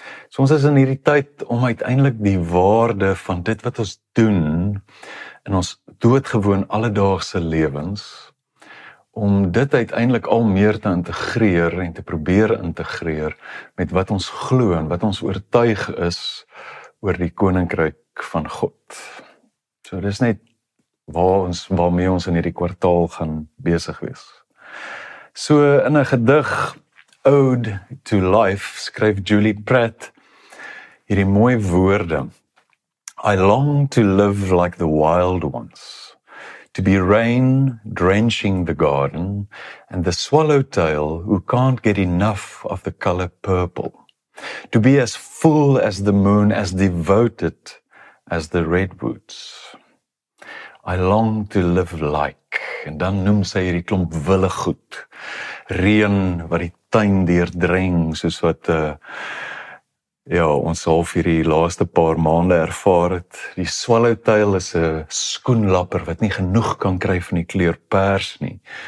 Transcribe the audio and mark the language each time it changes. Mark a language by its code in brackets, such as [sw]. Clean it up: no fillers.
[af] So ons is in hierdie tyd om uiteindelik die waarde van dit wat ons doen in ons doodgewoon alledaagse lewens, om dit uiteindelik al meer te integreer en te probeer integreer met wat ons glo en wat ons oortuig is oor die koninkryk van God. So dis net waarmee ons in hierdie kwartaal gaan besig wees. So in 'n gedig, Ode to Life, skryf Julie Pratt hierdie mooi woorde. [en] I long to live like the wild ones, to be rain drenching the garden, and the swallowtail who can't get enough of the color purple, to be as full as the moon, as devoted as the redwoods. I long to live like, [af] en dan noem sy hierdie klomp wille goed, reën wat die tuin deurdreng, soos wat ons half hierdie laaste paar maande ervaar het. Die swallowtail is 'n skoenlapper wat nie genoeg kan kry van die kleur pers nie.